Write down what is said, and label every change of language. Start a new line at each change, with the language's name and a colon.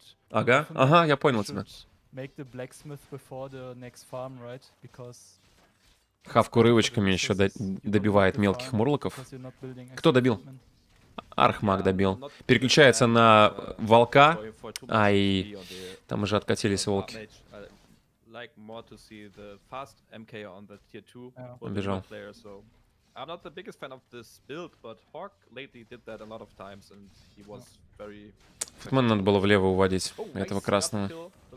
Russian: Ага, я понял тебя. Хавку рывочками еще добивает мелких мурлоков. Кто добил? Архмаг добил. Переключается на волка. Ай, там уже откатились волки.
English: Like more to see the fast MK on the tier 2 player, so I'm not the biggest fan of this build, but Hawk lately did that a lot of times and he was very.
Russian: Футман надо было влево уводить этого красного.